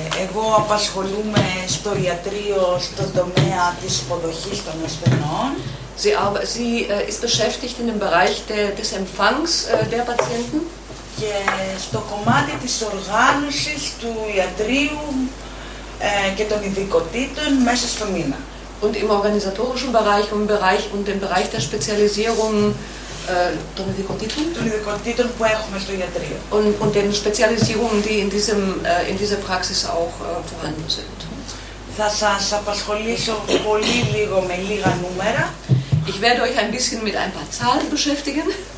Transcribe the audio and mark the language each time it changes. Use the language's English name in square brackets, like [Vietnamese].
[Greek] Εγώ απασχολούμαι στο ιατρείο στον τομέα της υποδοχής των ασθενών. [German] Sie ist beschäftigt in dem Bereich des Empfangs der Patienten. [Greek] Και στο κομμάτι της οργάνωσης του ιατρείου και των ειδικοτήτων μέσα στο μήνα. [German] Und im organisatorischen Bereich und im Bereich der Spezialisierung [Greek] των ειδικοτήτων. Των ειδικοτήτων που έχουμε στο ιατρείο. [German] Und den Spezialisierungen, die in dieser Praxis auch vorhanden sind. [Greek] Θα σας απασχολήσω πολύ λίγο με λίγα νούμερα. [German] Ich werde euch ein bisschen mit ein paar Zahlen beschäftigen.